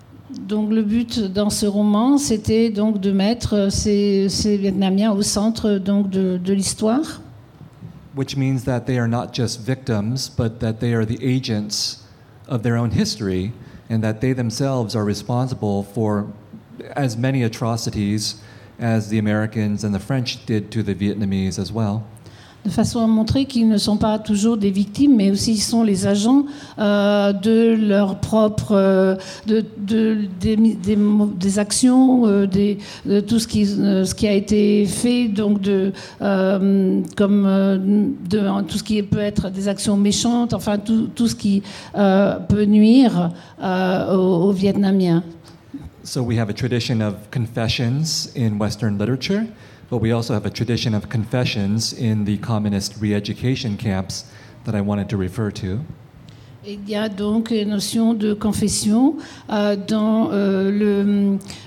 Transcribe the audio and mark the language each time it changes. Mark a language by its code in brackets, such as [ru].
[fr] Donc le but dans ce roman, c'était donc de mettre ces Vietnamiens au centre donc de l'histoire. [en] Which means that they are not just victims, but that they are the agents of their own history, and that they themselves are responsible for as many atrocities as the Americans and the French did to the Vietnamese as well. [fr] De façon à montrer qu'ils ne sont pas toujours des victimes, mais aussi ils sont les agents de leur propre, des actions, de tout ce qui a été fait, donc de tout ce qui peut être des actions méchantes, enfin tout ce qui peut nuire aux Vietnamiens. [en] So we have a tradition of confessions in Western literature. But we also have a tradition of confessions in the communist re-education camps that I wanted to refer to. [fr] Il y a donc une notion de confession dans le